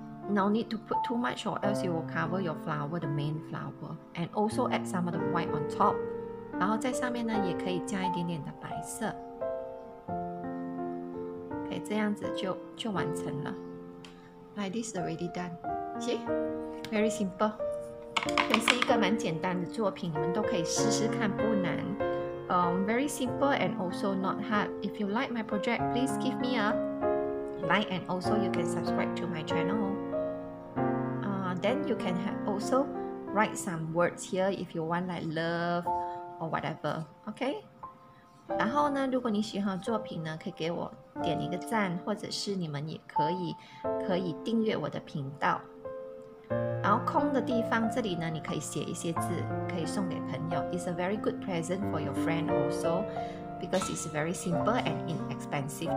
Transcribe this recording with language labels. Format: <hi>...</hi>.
<en>No need to put too much or else you will cover your flower, the main flower. And also add some of the white on top.</en> <zh>然后在上面呢也可以加一点点的白色。</zh> <en>OK,</en> <zh>这样子就完成了。</zh> <en>Like this already done. See? Very simple.</en> <zh>这是一个蛮简单的作品，你们都可以试试看，不难。</zh> <en>Very simple and also not hard. If you like my project, please give me a like and also you can subscribe to my channel. Then you can also write some words here if you want like love or whatever, okay?</en> <zh>然后呢如果你喜欢作品呢可以给我点一个赞，或者是你们也可以订阅我的频道。然后空的地方这里呢你可以写一些字，可以送给朋友。</zh> <en>It's a very good present for your friend also because it's very simple and inexpensive.</en>